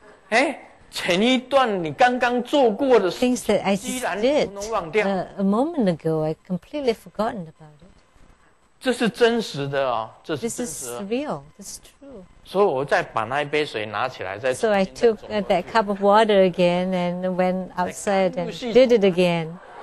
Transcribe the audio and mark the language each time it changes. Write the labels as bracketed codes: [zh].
[zh] 哎，前一段你刚刚做过的 [en] things that I just did a moment ago, I completely forgotten about it. [zh] 这是真实的哦，这是 [en] This is real. This is true. [zh] 所以我再把那一杯水拿起来，再 [en] So I took that cup of water again and went outside and did it again.